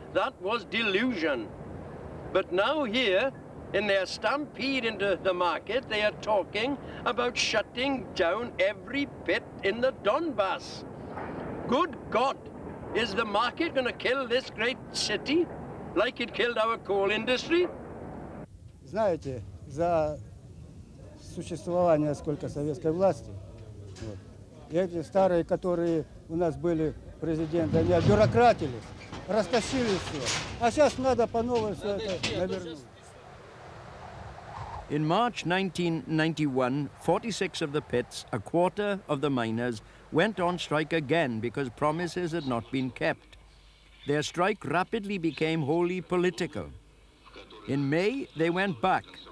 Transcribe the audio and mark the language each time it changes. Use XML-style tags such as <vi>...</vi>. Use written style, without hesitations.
<en>That was delusion. But now here, in their stampede into the market, they are talking about shutting down every pit in the Donbass. Good God! Is the market going to kill this great city like it killed our coal industry?</en> <ru>Знаете, за существование сколько советской власти. Вот. Эти старые, которые у нас были президенты, они бюрократились, растащили все. А сейчас надо по новой все это навернуть.</ru> <en>In March 1991, 46 of the pits, a quarter of the miners, went on strike again because promises had not been kept. Their strike rapidly became wholly political. In May, they went back.</en>